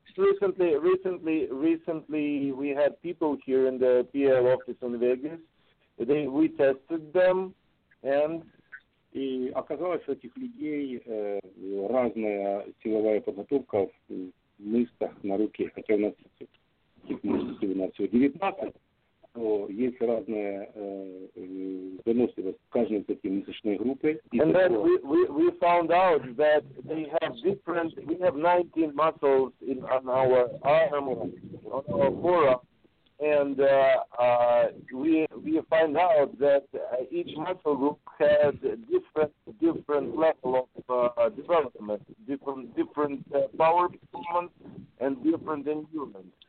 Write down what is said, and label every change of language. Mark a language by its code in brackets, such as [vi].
[en] Recently, we had people here in the PL office in Vegas. We tested them, and [ru] оказалось, у этих людей разная силовая подготовка в мышцах на руке. Хотя у нас этих мышц у нас всего 19, то есть разная выносливость в каждой такой мышечной группе. [en] And then we found out that they have different. We have 19 muscles in on our arm, on our forearm, and we find out that each muscle group has different level of development, different power performance, and different endurance.